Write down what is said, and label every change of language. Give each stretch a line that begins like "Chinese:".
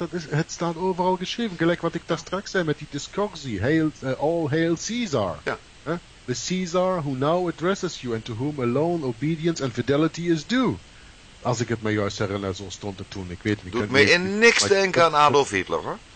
Dutch: Het staat overal geschreven. Gelijk wat ik daar straks zei met die discursie.
English: All hail Caesar.
Dutch: Ja.
English: The Caesar who now addresses you and to whom alone obedience and fidelity is due.
Dutch: Als ik het me juist herinner, zo stond het toen. Ik weet, doet mij in niks denken aan Adolf Hitler, hoor.